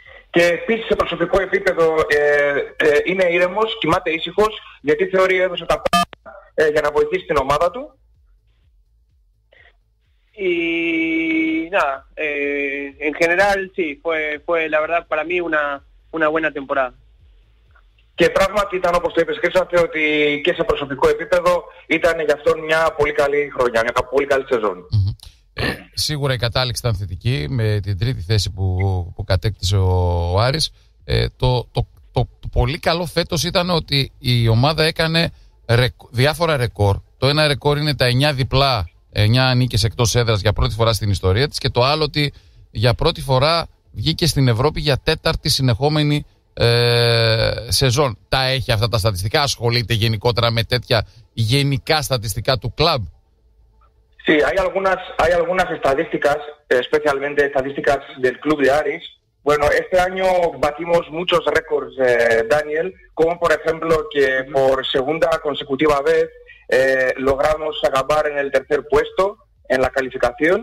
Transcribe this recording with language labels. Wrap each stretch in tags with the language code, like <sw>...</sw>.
<el>Και επίσης σε προσωπικό επίπεδο είναι ήρεμος, κοιμάται ήσυχος, γιατί θεωρεί ότι έδωσε τα πάντα για να βοηθήσει την ομάδα του.</el> <es>Y nada, en general sí, fue la verdad para mí una buena temporada.</es> <el>Και πράγματι ήταν, όπως το είπες, Χρήστο, ότι και σε προσωπικό επίπεδο ήταν για αυτόν μια πολύ καλή χρονιά, μια πολύ καλή σεζόν. Σίγουρα η κατάληξη ήταν θετική με την τρίτη θέση που κατέκτησε ο Άρης. Το πολύ καλό φέτος ήταν ότι η ομάδα έκανε διάφορα ρεκόρ. Το ένα ρεκόρ είναι τα 9 διπλά, 9 νίκες εκτός έδρας για πρώτη φορά στην ιστορία της, και το άλλο ότι για πρώτη φορά βγήκε στην Ευρώπη για τέταρτη συνεχόμενη σεζόν. Τα έχει αυτά τα στατιστικά, ασχολείται γενικότερα με τέτοια γενικά στατιστικά του κλαμπ?</el> <es>Sí, hay algunas estadísticas, especialmente estadísticas del club de Aris. Bueno, este año batimos muchos récords, Daniel, como por ejemplo que por segunda consecutiva vez logramos acabar en el tercer puesto en la calificación.</es>